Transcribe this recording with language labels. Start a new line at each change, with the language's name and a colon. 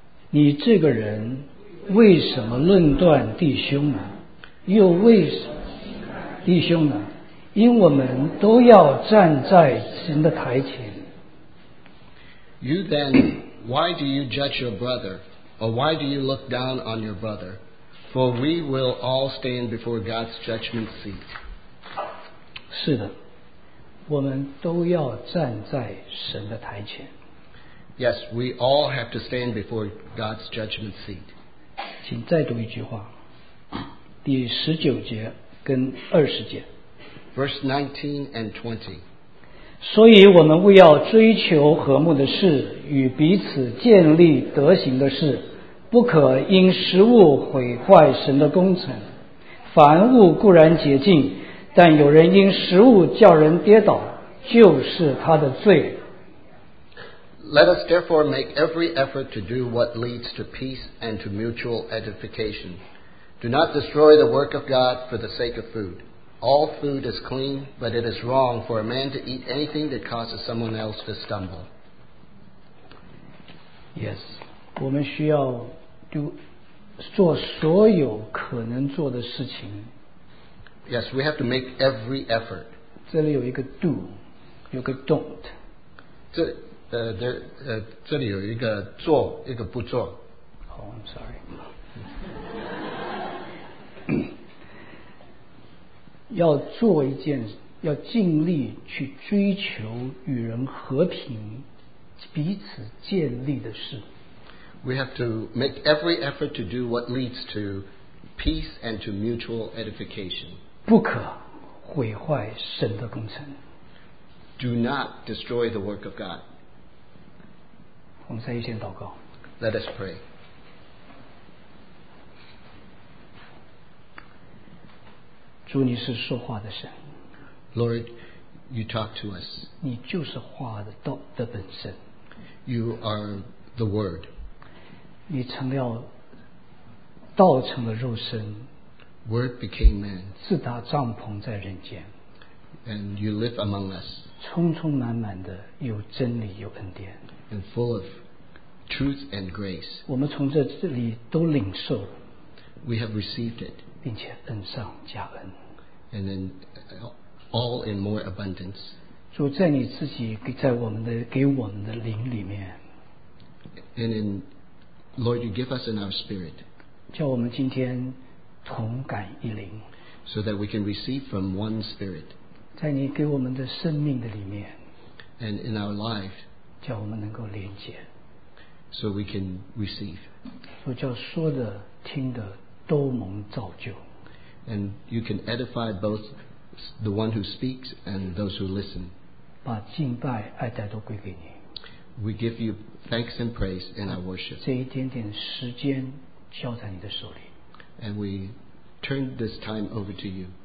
Chinese: 你这个人为什么论断弟兄呢？又为什么弟兄呢？因我们都要站在神的台前。
English: You then, why do you judge your brother? Or why do you look down on your brother? For we will all stand before God's judgment seat.
Chinese: 是的，我们都要站在神的台前。
English: Yes, we all have to stand before God's judgment seat.
Chinese: 请再读一句话，第十九节跟二十节。
English: Verse 19 and 20.
Chinese: 所以我们为要追求和睦的事与彼此建立德行的事不可因食物毁坏神的工程凡物固然洁净但有人因食物叫人跌倒就是他的罪
English: Let us therefore make every effort to do what leads to peace and to mutual edification Do not destroy the work of God for the sake of foodAll food is clean, but it is wrong for a man to eat anything that causes someone else to stumble.
Chinese: Yes, 我们需要做所有可能做的事情。
English: Yes, we have to make every effort.
Chinese: 这里有一个 do, 有个 don't. 这里有一个做，一个不做。
English: Oh, I'm sorry.
Chinese: 要做一件，要尽力去追求与人和平，彼此建立的事。
English: We have to make every effort to do what leads to peace and to mutual edification.
Chinese: 不可毁坏神的工程。
English: Do not destroy the work of God.
Chinese: 我们再一起祷告。
English: Let us pray.
Chinese: 主你是说话的神
English: Lord, you talk to us.
Chinese: 你就是话的本身
English: You are the word.
Chinese: 你成了道成了肉身
English: Word became man.
Chinese: 自搭帐篷在人间
English: And you live among us.
Chinese: 充充满满的有真理有恩典
English: And full of truth and grace.
Chinese: 我们从这里都领受
English: We have received it.
Chinese: 并且恩上加恩
English: and then all in more abundance.
Chinese: 主在你自己在我们的给我们的灵里面
English: and then Lord, you give us in our spirit.
Chinese: 叫我们今天同感一灵
English: so that we can receive from one spirit.
Chinese: 在你给我们的生命的里面
English: and in our life,
Chinese: 叫我们能够连接
English: so we can receive.
Chinese: 所以叫说的听的都蒙造就
English: and you can edify both the one who speaks and those who listen.
Chinese: 把敬拜爱戴都归给你
English: We give you thanks and praise in our worship.
Chinese: 这一点点时间交在你的手里。
English: And we turn this time over to you.